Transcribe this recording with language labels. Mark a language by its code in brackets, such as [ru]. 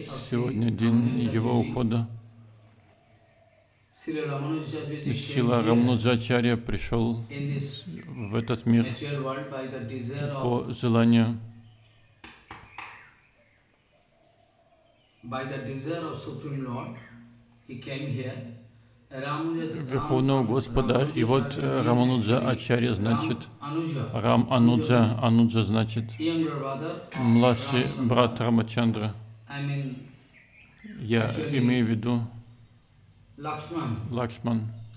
[ru] Сегодня день его ухода. Шрила Рамануджа Ачарья пришел в этот мир по желанию. [en] By the desire of Supreme Lord, he came here. [ru] Верховного Господа. И вот Рамануджа Ачарья, значит, Рам Ануджа, Ануджа, значит, младший брат Рамачандра. Я имею в виду Лакшман.